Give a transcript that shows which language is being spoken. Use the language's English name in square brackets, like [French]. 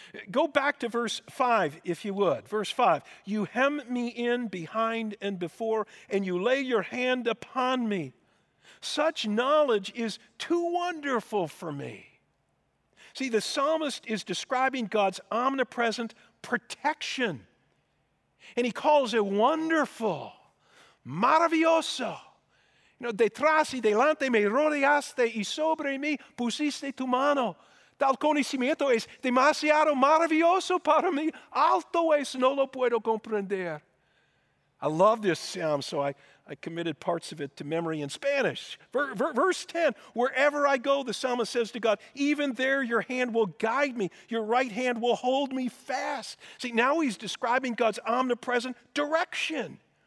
[English] Go back to verse 5, if you would. Verse 5, "You hem me in behind and before, and you lay your hand upon me. Such knowledge is too wonderful for me." See, the psalmist is describing God's omnipresent protection, and he calls it wonderful. [Spanish] Maravilloso. [English] You know, [Spanish] detrás y delante me rodeaste y sobre mí pusiste tu mano. Tal conocimiento es demasiado maravilloso para mí. Alto es, no lo puedo comprender. [English] I love this psalm, so I committed parts of it to memory in Spanish. Verse 10, "Wherever I go," the psalmist says to God, "even there your hand will guide me. Your right hand will hold me fast." See, now he's describing God's omnipresent direction.